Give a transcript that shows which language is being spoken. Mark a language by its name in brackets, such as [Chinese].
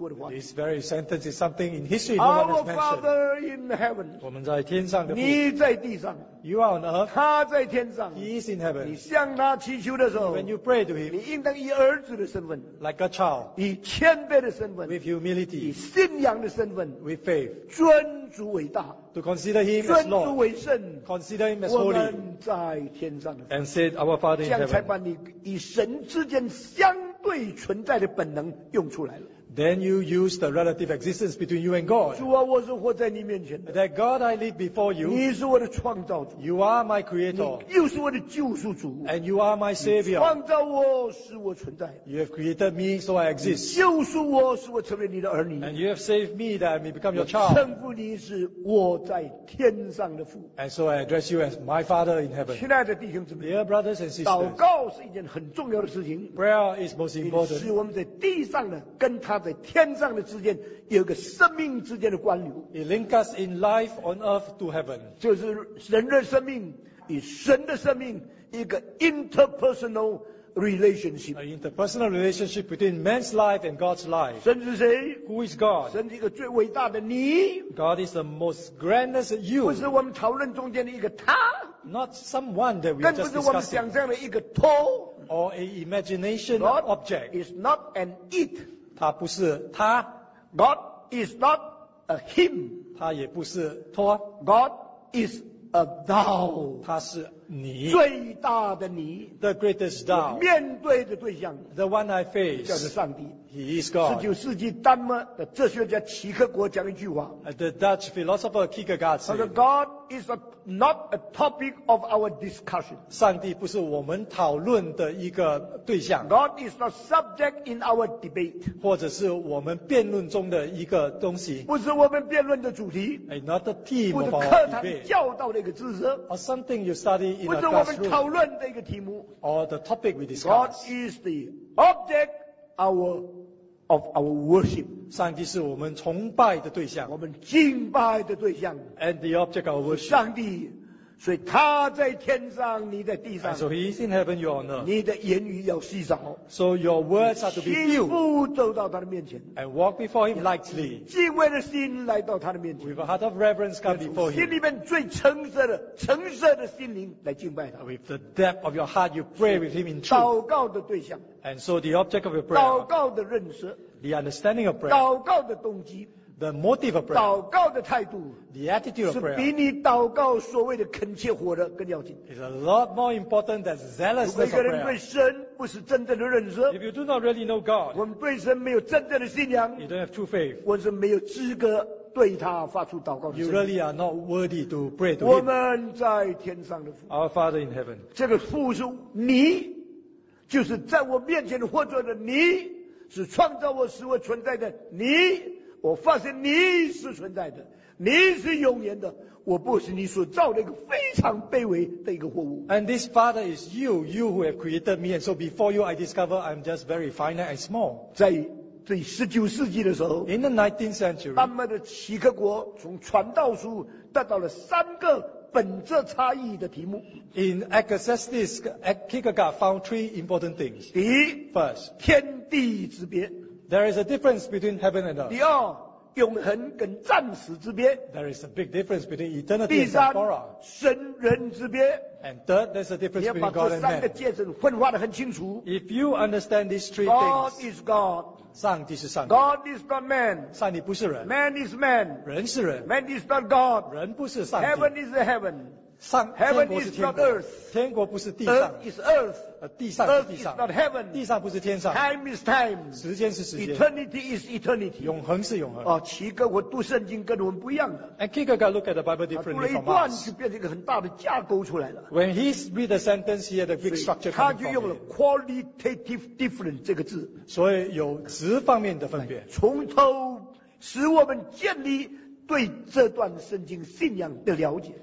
[English] This very sentence is something in history no one has mentioned. Our Father in heaven. [Chinese] 我们在天上的父。你在地上。 [English] You are on earth. [Chinese] 他在天上, [English] he is in heaven. [Chinese] 你向他祈求的时候, [English] when you pray to him, [Chinese] 你应当以儿子的身份, [English] like a child, [Chinese] 以谦卑的身份, [English] with humility, [Chinese] 以信仰的身份, [English] with faith, [Chinese] 尊主伟大, [English] to consider him as Lord, [Chinese] 尊主伟圣, [English] consider him as holy, [Chinese] 我们在天上的父, [English] and said, Our Father in heaven. [Chinese] 这样才把你与神之间相对存在的本能用出来了。 [English] Then you use the relative existence between you and God. [Chinese] 主啊, 我是活在你面前的, [English] that God I live before you. [Chinese] 你是我的创造主, [English] you are my creator. [Chinese] 你又是我的救赎主, [English] and you are my savior. [Chinese] 你创造我, 使我存在, [English] you have created me so I exist. [Chinese] 你救赎我, 使我成为你的儿女, [English] and you have saved me that I may become your child. [Chinese] 称呼你是我在天上的父, [English] and so I address you as my father in heaven. [Chinese] 亲爱的弟兄姊妹, [English] dear brothers and sisters, [Chinese] 祷告是一件很重要的事情, [English] prayer is most important. [Chinese] 你使我们在地上的跟他 在天上的之间有个生命之间的关流。 [English] It links us in life on earth to heaven. [Chinese] 就是人的生命与神的生命一个 interpersonal relationship. [English] An interpersonal relationship between man's life and God's life. [Chinese] 神是谁? [English] Who is God? [Chinese] 神是一个最伟大的你。 [English] God is the most grandest you. [Chinese] 不是我们讨论中间的一个他。 [English] Not someone that we just discussed. [Chinese] 更不是我们想象的一个to。 [English] Or an imagination object. It's not an it. [Chinese] 他不是他, [English] God is not a him. [Chinese] 他也不是他, [English] God is a thou. [Chinese] 他是你，最大的你 [English] ，the greatest thou， [Chinese] 面对的对象 [English] ，the one I face， [Chinese] 叫做上帝 [English] ，he is God。 [Chinese] 十九世纪丹麦的哲学家齐克果讲一句话 [English] ，the Dutch philosopher Kierkegaard said， God is not a topic of our discussion。 [Chinese] 上帝不是我们讨论的一个对象 [English] ，God is not subject in our debate， [Chinese] 或者是我们辩论中的一个东西，不是我们辩论的主题 [English] ，not the theme of our debate， [Chinese] 教导的一个知识 [English] ，or something you study。 [Chinese] 不是我们讨论的一个题目 [English] or the topic we discuss. God is the object of our worship. [Chinese] 上帝是我们崇拜的对象，我们敬拜的对象 [English] and the object of our worship. [Chinese] 上帝，所以他在天上，你在地上 [English] and so he is in heaven, you are on earth. [Chinese] 你的言语要细嚼 [English] so your words are to be filled. [Chinese] 心腹走到他的面前 [English] and walk before him lightly. [Chinese] 敬畏的心来到他的面前 [English] with a heart of reverence come before him. [Chinese] 心里面最诚实的、诚实的心灵来敬拜他 [English] with the depth of your heart, you pray with him in truth. [Chinese] 祷告的对象 [English] and so the object of your prayer. [Chinese] 祷告的认识 [English] the understanding of prayer. [Chinese] 祷告的动机 [English] The motive of prayer, [Chinese] 祷告的态度 [English] the attitude of prayer, [Chinese] 是比你祷告所谓的恳切火热更要紧 [English] is a lot more important than zealousness of prayer. [Chinese] 如果一个人对神不是真正的认识 [English] if you do not really know God, [Chinese] 我们对神没有真正的信仰 [English] you don't have true faith, [Chinese] 我们是没有资格对他发出祷告的 [English] you really are not worthy to pray to him. [Chinese] 我们在天上的父 [English] our Father in heaven, [Chinese] 这个父是你就是在我面前活着的你是创造我使我存在的你我发现你是存在的，你是永远的。我不是你所造的一个非常卑微的一个货物。 [English] And this Father is you, you who have created me, and so before you, I discover I'm just very finite and small. [Chinese] 在对十九世纪的时候 [English] ，In the 19th century， [Chinese] 丹麦的齐克果从传道书得到了三个本质差异的题目。 [English] In Ecclesiastes, Kierkegaard found three important things. [Chinese] 第一 [English] ，First， [Chinese] 天地之别。 [English] There is a difference between heaven and earth. [Chinese] 第二，永恒跟暂时之别。 [English] There is a big difference between eternity and temporal. [Chinese] 第三，神人之别。 [English] And third, there's a difference between God and man. [Chinese] 你要把这三个界限分化得很清楚。 [English] If you understand these three things, God is God. [Chinese] 上帝是上帝。 [English] God is not man. [Chinese] 上帝不是人。 [English] Man is man. [Chinese] 人是人。 [English] Man is not God. [Chinese] 人不是上帝。 [English] Heaven is the heaven. [Chinese] 上天国是天国。天国不是地上。 [English] Earth is earth. [Chinese] 地上是地上 [English] Earth is not heaven. [Chinese] 地上不是天上 [English] Time is time. [Chinese] 时间是时间 [English] Eternity is eternity. [Chinese] 永恒是永恒、哦、齐哥我读圣经跟我们不一样的 [English] And Kierkegaard look at the Bible differently from us [Chinese] 读了一段就变成一个很大的架构出来了 [English] When he read the sentence he had a big structure [Chinese] 他就用了 qualitative difference 这个字所以有质方面的分别从头使我们建立对这段圣经信仰的了解